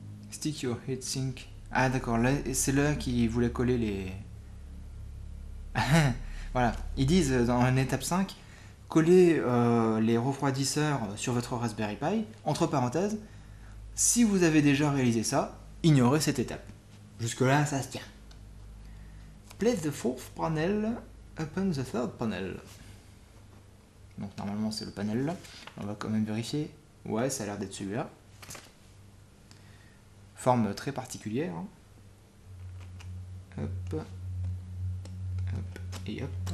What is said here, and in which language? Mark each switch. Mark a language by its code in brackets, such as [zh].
[en] stick your heatsink. [fr] Ah d'accord, là, c'est là qu'ils voulaient coller les... Voilà, ils disent dans l'étape 5, coller les refroidisseurs sur votre Raspberry Pi, entre parenthèses, si vous avez déjà réalisé ça, ignorez cette étape. Jusque là, ça se tient. [en] Place the fourth panel upon the third panel. [fr] Donc normalement c'est le panel là. On va quand même vérifier. Ouais, ça a l'air d'être celui-là. Forme très particulière. Hop. Hop et hop.